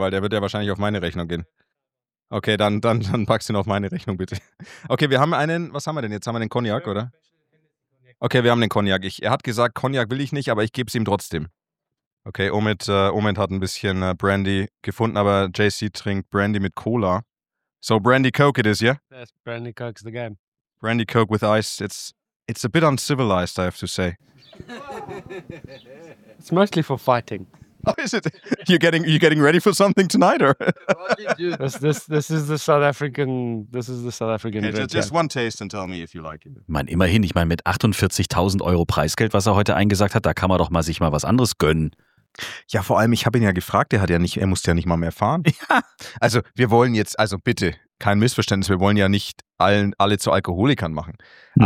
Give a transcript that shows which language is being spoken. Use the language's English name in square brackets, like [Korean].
[German] Weil der wird ja wahrscheinlich auf meine Rechnung gehen. Okay, dann packst du ihn auf meine Rechnung, bitte. Okay, wir haben einen, was haben wir denn jetzt? Haben wir den Cognac, oder? Okay, wir haben den Cognac. Er hat gesagt, Cognac will ich nicht, aber ich gebe es ihm trotzdem. Okay, Omid hat ein bisschen Brandy gefunden, aber JC trinkt Brandy mit Cola. [English] So Brandy Coke it is, yeah? Yes, Brandy Coke's the game. Brandy Coke with ice. It's a bit uncivilized, I have to say. It's mostly for fighting. Oh, is it? You're getting ready for something tonight, or? This is the South African. Okay, drink, just one taste and tell me if you like it. [German] Man, immerhin, ich meine, mit 48.000 Euro Preisgeld, was er heute eingesagt hat, da kann man doch mal sich mal was anderes gönnen. Ja, vor allem, ich habe ihn ja gefragt, er musste ja nicht mal mehr fahren. Ja. Also wir wollen jetzt, also bitte, kein Missverständnis, wir wollen ja nicht alle zu Alkoholikern machen. Nö.